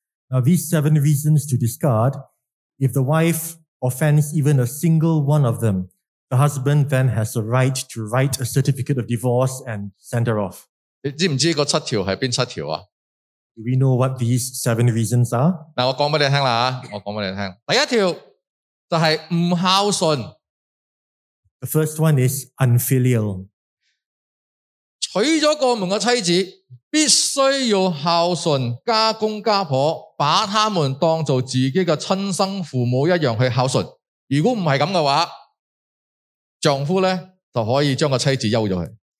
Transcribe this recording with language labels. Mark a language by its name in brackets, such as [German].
[English] Now, these seven reasons to discard, if the wife offends even a single one of them, the husband then has a right to write a certificate of divorce and send her off. [Chinese] 你知不知道那七条是哪七条啊？ [English] Do we know what these seven reasons are? [Chinese] 我告诉你，第一条就是不孝顺。 [English] The first one is unfilial. [Chinese] 娶了个门的妻子必须要孝顺家公家婆，把他们当做自己的亲生父母一样去孝顺。如果不是这样的话，丈夫就可以将个妻子休了。